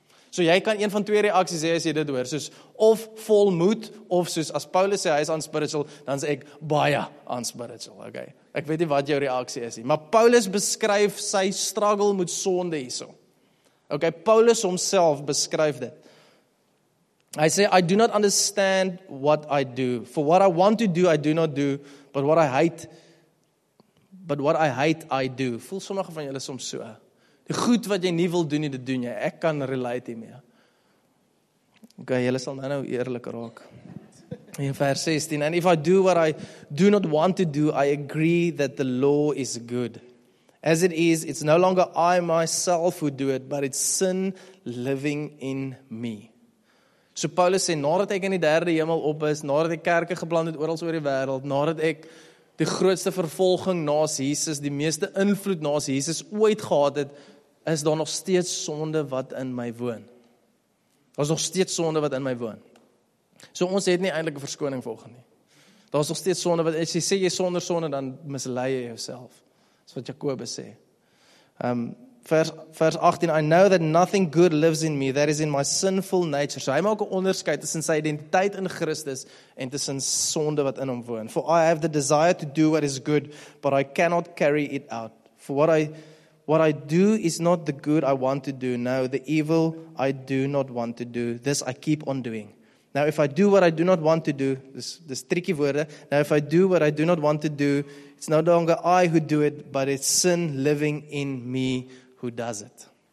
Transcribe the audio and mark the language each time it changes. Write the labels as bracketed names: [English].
[Afrikaans] So jy kan een van twee reaksies hê as jy dit hoor, soos of vol moed, of soos as Paulus sê hy is unspiritual, dan sê ek baie unspiritual, okay. Ek weet nie wat jou reaksie is nie, maar Paulus beskryf sy struggle met sonde hierso. Okay, Paulus homself beskryf dit. Hy sê, [English] I do not understand what I do. For what I want to do, I do not do, but what I hate, I do. [Afrikaans] Voel sommige van julle soms so. Goed wat jy nie wil doen nie, dit doen jy. Ek kan relate hiermee. Okay, julle sal nou eerlik raak. In vers 16, [English] and if I do what I do not want to do, I agree that the law is good. As it is, it's no longer I myself who do it, but it's sin living in me. [Afrikaans] So Paulus sê, nadat ek in die derde hemel op is, nadat ek kerke geplant het oral oor die wêreld, nadat ek die grootste vervolging naas Jesus, die meeste invloed naas Jesus ooit gehad het, is daar nog steeds sonde wat in my woon. Daar is nog steeds sonde wat in my woon. So ons het nie eintlik 'n verskoning volgende nie. Daar is nog steeds sonde wat, as jy sê jy sonder sonde, dan mislei jy jouself. Dis wat Jakobus sê. Vers 18, [English] I know that nothing good lives in me, that is in my sinful nature. [Afrikaans] So hy maak 'n onderskeid tussen sy identiteit in Christus en tussen sonde wat in hom woon. [English] For I have the desire to do what is good, but I cannot carry it out. For what I do is not the good I want to do, no, the evil I do not want to do, this I keep on doing. Now if I do what I do not want to do, [Afrikaans] dis tricky woorde, [English] now if I do what I do not want to do, it's no longer I who do it, but it's sin living in me who does it.